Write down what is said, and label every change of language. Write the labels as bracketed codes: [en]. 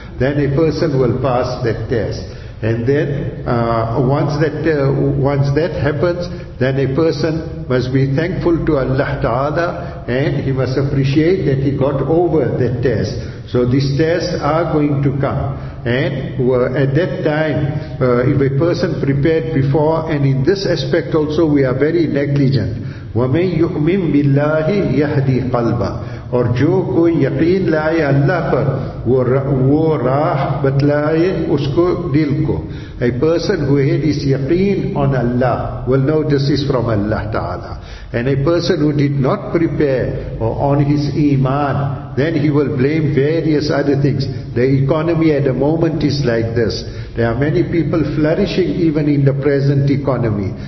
[en] Then a person will pass that test. And then once that happens, then a person must be thankful to Allah Ta'ala, and he must appreciate that he got over that test. So these tests are going to come. And at that time, if a person prepared before, and in this aspect also we are very negligent. [ar] وَمَنْ يُؤْمِن بِاللَّهِ يَهْدِي قَلْبًا. [ur] اور جو کوئی یقین لائے اللہ پر وہ راہ بتلائے اس کو دل کو. [en] A person who had his yaqeen on Allah will know this is from Allah Ta'ala. And a person who did not prepare on his iman, then he will blame various other things. The economy at the moment is like this. There are many people flourishing even in the present economy.